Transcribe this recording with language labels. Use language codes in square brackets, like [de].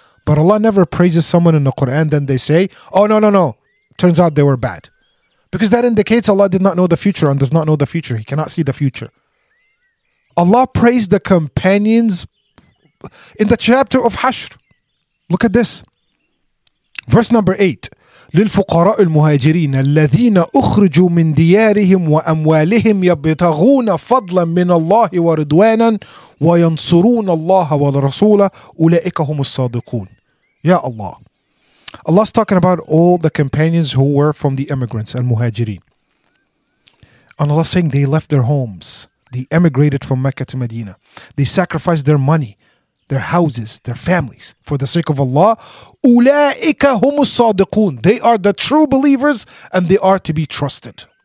[en] But Allah never praises someone in the Quran, then they say, oh, no. Turns out they were bad. Because that indicates Allah did not know the future and does not know the future. He cannot see the future. Allah praised the companions in the chapter of Hashr. Look at this. Verse number 8. [ar] للفقراء المهاجرين الذين أخرجوا من ديارهم وأموالهم يبتغون فضلا من الله ورضوانا وينصرون الله والرسول أولئك هم الصادقون. يا الله. [en] Allah's talking about all the companions who were from the immigrants and muhajirin. And Allah's saying they left their homes. They emigrated from Mecca to Medina. They sacrificed their money, their houses, their families, for the sake of Allah. [ar] أُولَٰئِكَ هُمُ الصَّادِقُونَ [en] They are the true believers and they are to be trusted.